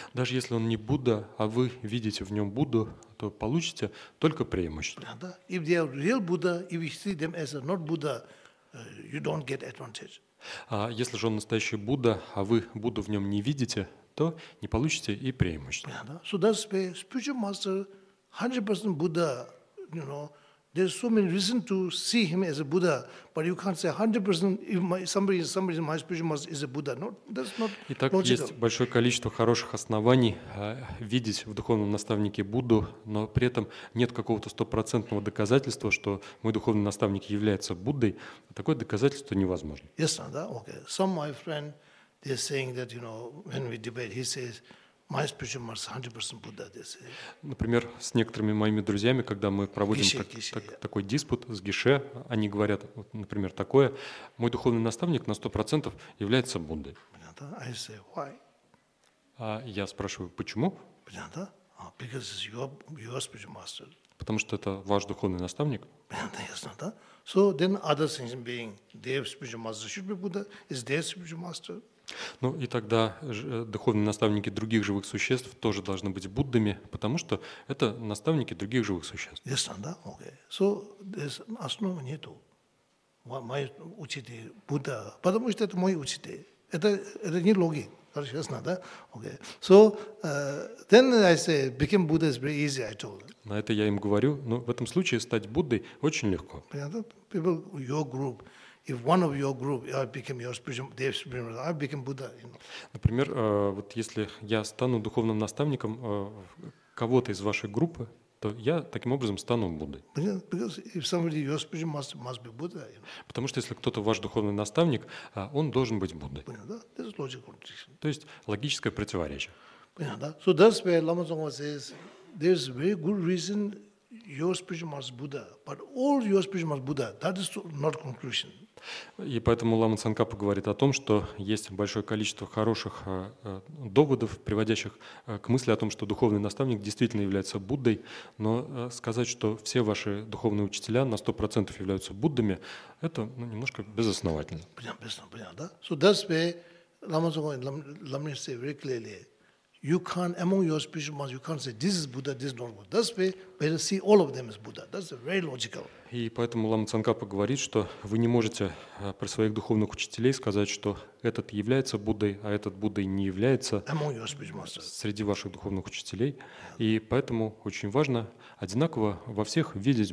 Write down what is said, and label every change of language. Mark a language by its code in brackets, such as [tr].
[ru] Даже если он не Будда, а вы видите в нем Будду, то получите только преимущество. Да, да. [en] If they are real Buddha, if you see them as a not Buddha, you don't get advantage. [ru] А если же он настоящий Будда, а вы Будду в нем не видите, то не получите и преимущество. Да, да. [en] So that's why spiritual master, 100% Buddha, you know, there's so many reasons to see him as a Buddha, but you can't say 100% if somebody in my spiritual master is a Buddha. No, that's not logical. [ru] Итак, есть большое количество хороших оснований видеть в духовном наставнике Будду, но при этом нет какого-то 100% доказательства, что мой духовный наставник является Буддой. Такое доказательство невозможно. [en] Yes, no, that, okay. Some my friend, they're saying that, you know, when we debate, he says, my spiritual master is 100% Buddha. [ru] Например, с некоторыми моими друзьями, когда мы проводим такой диспут с Гише, они говорят, вот, например, такое: мой духовный наставник на 100% является Буддой. Понятно? [en] I say why? [ru] А я спрашиваю, почему? Понятно? [en] Because it's your spiritual master. [ru] Потому что это ваш духовный наставник. Понятно, ясно, да? [en] So then other things being their spiritual master should be Buddha, is their spiritual master? [ru] Ну и тогда духовные наставники других живых существ тоже должны быть Буддами, потому что это наставники других живых существ. Ясно, да? Окей. So, основы нету. Мой учитель Будда, потому что это мой учитель. Это не логика. Ясно, да? Окей. [en] So, then I say, become Buddha is very easy, I told. [ru] На это я им говорю, но в этом случае стать Буддой очень легко. Понятно? [en] People, your group. If one of your group, I became your spiritual, their spiritual master, I became Buddha. You know. [ru] Например, вот если я стану духовным наставником кого-то из вашей группы, то я таким образом стану Буддой. [en] Because if somebody your spiritual master must be Buddha, you know. [ru] Потому что если кто-то ваш духовный наставник, он должен быть Буддой. Понятно, да? [en] This is logical. [ru] То есть логическое противоречие. Понятно, да? [en] So that's why Lama Tsongkhapa says there's very good reason your spiritual master is Buddha, but all your spiritual master is Buddha. That is not conclusion. [ru] И поэтому Лама Цанкапа говорит о том, что есть большое количество хороших доводов, приводящих к мысли о том, что духовный наставник действительно является Буддой, но сказать, что все ваши духовные учителя на 100% являются Буддами, это немножко безосновательно. Понятно, понятно, да? [en] So that's where Lama Tsongkhapa said very clearly, you can't, among your spiritual master, you can't say, this is Buddha, this is not Buddha. That's where we can see all of them as Buddha. That's very logical. [ru] И поэтому Лама Цанкапа говорит, что вы не можете про своих духовных учителей сказать, что этот является Буддой, а этот Буддой не является среди ваших духовных учителей. И поэтому очень важно одинаково во всех видеть